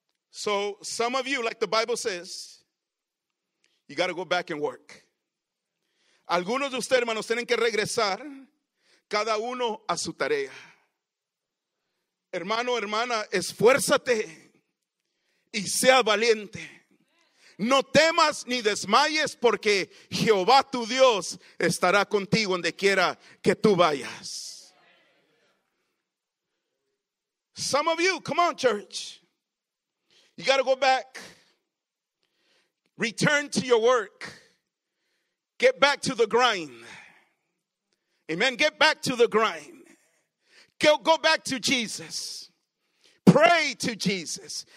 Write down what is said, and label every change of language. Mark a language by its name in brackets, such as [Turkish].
[English] So some of you, like the Bible says, you got to go back and work. [Spanish] Algunos de ustedes, hermanos, tienen que regresar cada uno a su tarea. Hermano, hermana, esfuérzate y sea valiente. No temas ni desmayes porque Jehová tu Dios estará contigo donde quiera que tú vayas. [English] Some of you, come on, church. You got to go back. Return to your work. Get back to the grind. Amen. Get back to the grind. Go back to Jesus. Pray to Jesus.